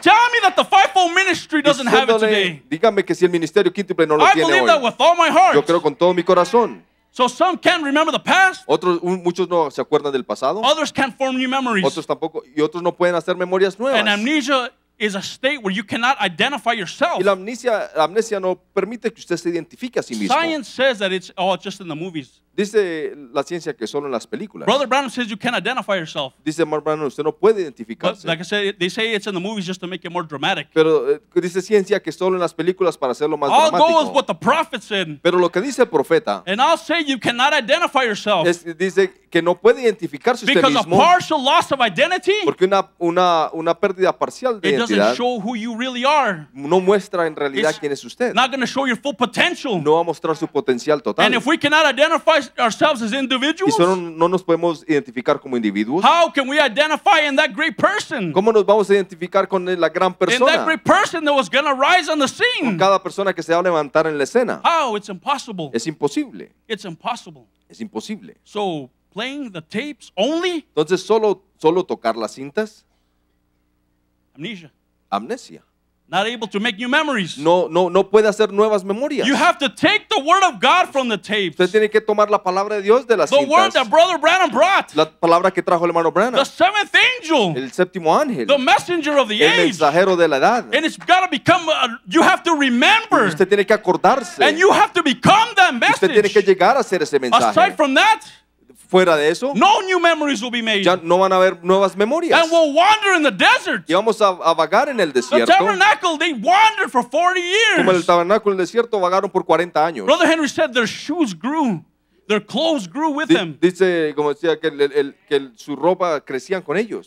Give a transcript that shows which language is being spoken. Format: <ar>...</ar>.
<en>Tell me that the fivefold ministry doesn't have it today.</en> <es>Dígame que si el ministerio quíntuple no lo tiene hoy.</es> <en>I believe that with all my heart.</en> <es>Yo creo con todo mi corazón.</es> <en>So some can't remember the past.</en> <es>Otros, muchos no se acuerdan del pasado.</es> <en>Others can't form new memories.</en> <es>Otros tampoco, y otros no pueden hacer memorias nuevas.</es> <en>And amnesia is a state where you cannot identify yourself.</en> <es>Y la amnesia no permite que usted se identifique a sí mismo.</es> <en>Science says that it's all just in the movies.</en> <es>Dice la ciencia que solo en las películas.</es> <en>Brother Branham says you can't identify yourself.</en> <es>Dice Mark Branham, usted no puede identificarse.</es> <en>But like I said, they say it's in the movies just to make it more dramatic.</en> <es>Pero dice ciencia que solo en las películas para hacerlo más</es> <en>I'll</en> <es>dramático.</es> <en>I'll go with what the prophet said.</en> <es>Pero lo que dice el profeta.</es> <en>And I'll say you cannot identify yourself.</en> <es>Dice que no puede identificarse usted</es> <en>because</en> <es>mismo.</es> <en>Because a partial loss of identity.</en> <es>Porque una pérdida parcial de</es> <en>it</en> <es>identidad.</es> <en>It doesn't show who you really are.</en> <es>No muestra en realidad</es> <en>it's</en> <es>quién es usted.</es> <en>Not going to show your full potential.</en> <es>No va a mostrar su potencial total.</es> <en>And if we cannot identify ourselves as individuals.</en> <es>No nos podemos identificar como individuos.</es> <en>How can we identify in that great person?</en> <es>¿Cómo nos vamos a identificar con la gran persona?</es> <en>In that great person that was going to rise on the scene.</en> <es>Con cada persona que se va a levantar en la escena.</es> <en>How? It's impossible.</en> <es>Es imposible.</es> <en>It's impossible.</en> <es>Es imposible.</es> <en>So playing the tapes only.</en> <es>Entonces solo solo tocar las cintas.</es> <en>Amnesia.</en> <es>Amnesia.</es> <en>Not able to make new memories.</en> <es>No puede hacer nuevas memorias.</es> <en>You have to take the word of God from the tapes.</en> <es>Usted tiene que tomar la palabra de Dios de las cintas.</es> <en>The word that Brother Branham brought.</en> <es>La palabra que trajo el hermano Branham.</es> <en>The seventh angel.</en> <es>El séptimo ángel.</es> <en>The messenger of the age.</en> <es>El mensajero de la edad.</es> <en>And it's got to become, you have to remember.</en> <es>Usted tiene que acordarse.</es> <en>And you have to become that message.</en> <es>Usted tiene que llegar a ser ese mensaje.</es> <en>Aside from that.</en> <es>Fuera de eso,</es> <en>no new memories will be made.</en> <es>Ya no van a haber nuevas memorias.</es> <en>And we'll wander in the desert.</en> <es>Y vamos a vagar en el desierto.</es> <en>The tabernacle, they wandered for 40 years.</en> <es>Como el tabernáculo en el desierto vagaron por 40 años.</es> <en>Brother Henry said their shoes grew, their clothes grew with them.</en> <es>Dice como decía que su ropa crecían con ellos.</es>